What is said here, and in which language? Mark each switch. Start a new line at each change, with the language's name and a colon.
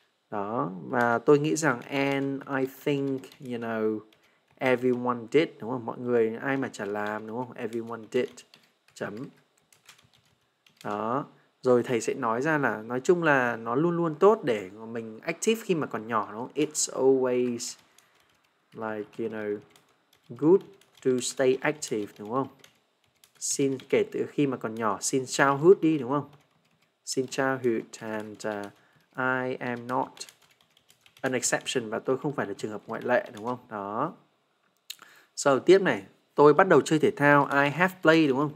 Vietnamese: Đó, và tôi nghĩ rằng
English: and I think, you know, everyone did,
Vietnamese: đúng không? Mọi người, ai mà chả làm, đúng không?
English: Everyone did,
Vietnamese: chấm. Đó, rồi thầy sẽ nói ra là nói chung là nó luôn luôn tốt để mình active khi mà còn nhỏ, đúng không?
English: It's always, like, you know, good to stay active
Vietnamese: đúng không? Xin kể từ khi mà còn nhỏ, xin childhood đi đúng không? Xin childhood
English: and I am not an exception
Vietnamese: và tôi không phải là trường hợp ngoại lệ, đúng không? Đó. Sau tiếp này, tôi bắt đầu chơi thể thao,
English: I have played,
Vietnamese: đúng không?